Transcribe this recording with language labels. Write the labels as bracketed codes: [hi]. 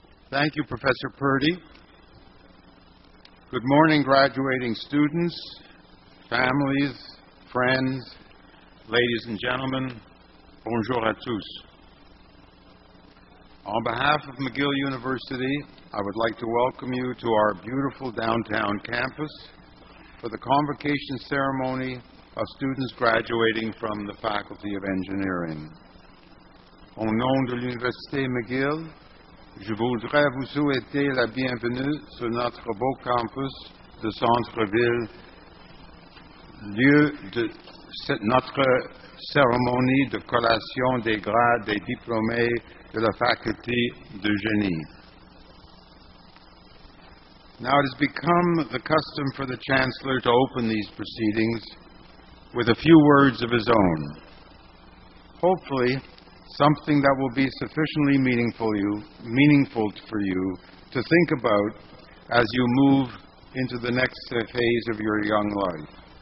[en] Thank you, Professor Purdy. Good morning, graduating students, families, friends, ladies and gentlemen. [fr] Bonjour à tous. [en] On behalf of McGill University, I would like to welcome you to our beautiful downtown campus for the convocation ceremony of students graduating from the Faculty of Engineering. [fr] Au nom de l'Université McGill, je voudrais vous souhaiter la bienvenue sur notre beau campus de centre-ville, lieu de notre cérémonie de collation des grades des diplômés de la faculté de génie. [en] Now it has become the custom for the Chancellor to open these proceedings with a few words of his own. Hopefully, something that will be sufficiently meaningful for you to think about as you move into the next phase of your young life.